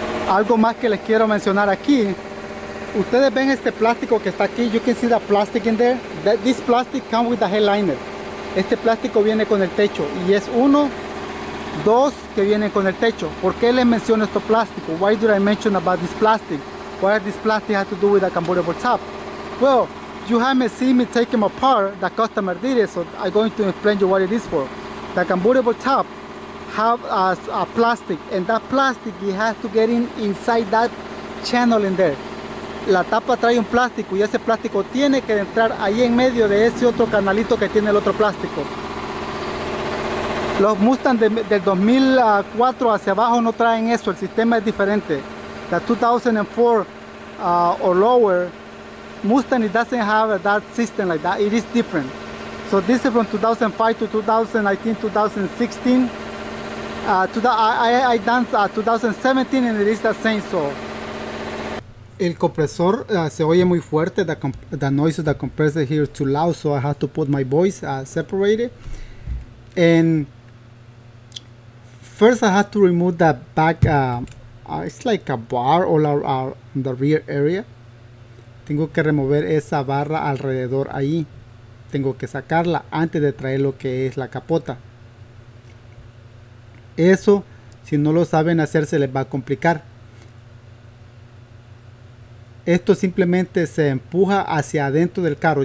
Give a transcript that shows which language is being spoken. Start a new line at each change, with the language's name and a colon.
Spanish: Algo más que les quiero mencionar aquí. Ustedes ven este plástico que está aquí.
English: You can see the plastic in there. This plastic comes with the headliner.
Spanish: Este plástico viene con el techo. Y es uno, dos que vienen con el techo. ¿Por qué les menciono este plástico?
English: Why did I mention about this plastic? What does this plastic have to do with the Cambodia board top? Well, you haven't seen me take them apart. The customer did it, so I'm going to explain you what it is for. The Cambodia board top have a plastic, and that plastic it has to get in inside that channel in there.
Spanish: La tapa trae un plástico y ese plástico tiene que entrar ahí en medio de ese otro canalito que tiene el otro plástico. Los Mustang del 2004 hacia abajo no traen eso, el sistema es diferente.
English: The 2004 or lower Mustang, it doesn't have that system like that, it is different. So this is from 2005 to 2016. I done 2017 and it is the same. So
Spanish: el compresor se oye muy fuerte.
English: The noise of the compressor here is too loud, so I have to put my voice separated. And first I have to remove the back, it's like a bar all around the rear area.
Spanish: Tengo que remover esa barra alrededor ahí. Tengo que sacarla antes de traer lo que es la capota. Eso, si no lo saben hacer, se les va a complicar. Esto simplemente se empuja hacia adentro del carro.